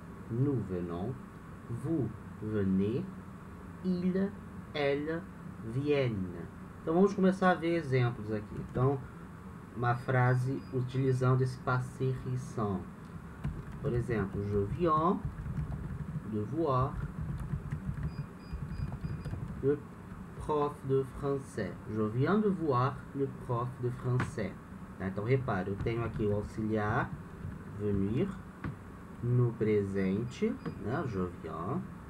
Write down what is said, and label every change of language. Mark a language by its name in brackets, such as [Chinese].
[French] Nous venons, vous venez, ils, elles viennent. [Portuguese] Então vamos começar a ver exemplos aqui. Então, uma frase utilizando esse passé récent. Por exemplo, [French] je viens de voir le prof de français. Je viens de voir le prof de français. [Portuguese] Tá? Então, repare, eu tenho aqui o auxiliar, venir, no presente, né? [French] Je viens.